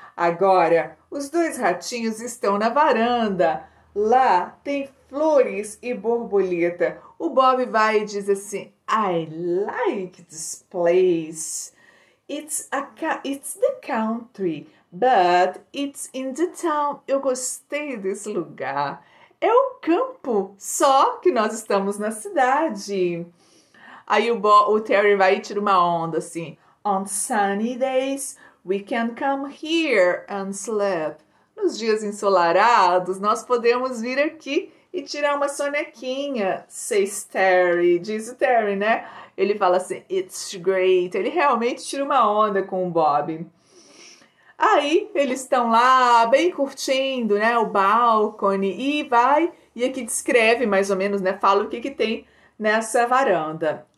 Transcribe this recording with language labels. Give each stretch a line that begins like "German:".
Portuguese: Agora, os dois ratinhos estão na varanda. Lá tem flores e borboleta. O Bob vai e diz assim:
English: I like this place. It's the country, but it's in the town.
Portuguese: Eu gostei desse lugar. É o campo, só que nós estamos na cidade. Aí o Terry vai e tira uma onda assim.
English: On sunny days, we can come here and sleep.
Portuguese: Nos dias ensolarados, nós podemos vir aqui e tirar uma sonequinha,
English: says Terry.
Portuguese: Diz o Terry, né? Ele fala assim:
English: It's great.
Portuguese: Ele realmente tira uma onda com o Bob. Aí eles estão lá bem curtindo, né, o balcone, e vai e aqui descreve mais ou menos, né, fala o que que tem nessa varanda.